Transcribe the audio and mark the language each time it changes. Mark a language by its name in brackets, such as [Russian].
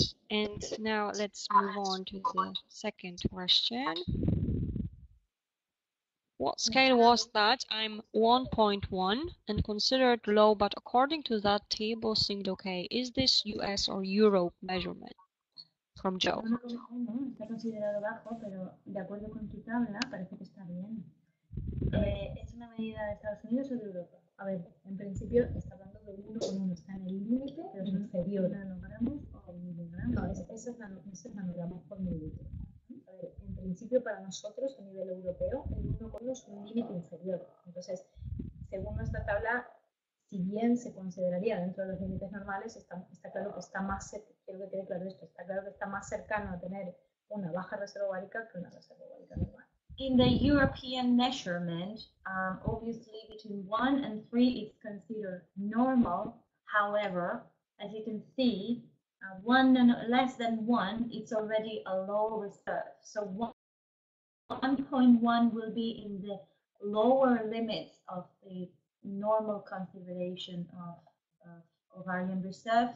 [English] And now let's move on to the second question. What scale was that? I'm 1.1 and considered low, but according to that table, seemed okay. Is this US or Europe measurement? From Joe. [Spanish] No, está considerado bajo, pero de acuerdo con tu tabla parece que está bien. ¿Es una medida de Estados Unidos o de Europa? A ver, en principio está hablando de 1.1, está en el límite, pero es inferior. ¿Nanogramos o miligramos? Eso es nanogramos por mililitro. A ver, en principio para nosotros a nivel europeo el 1.1 es un límite inferior. Entonces, según nuestra tabla, si bien se consideraría dentro de los límites normales, está claro que está más cerca. Quiero que quede claro esto, está claro que está más cercano a tener una baja reserva ovárica que una reserva ovárica normal. [English] In the European measurement, obviously between 1 and 3 is considered normal. However, as you can see, less than 1, it's already a low reserve. So 1.1 will be in the lower limits of the normal consideration of ovarian reserve.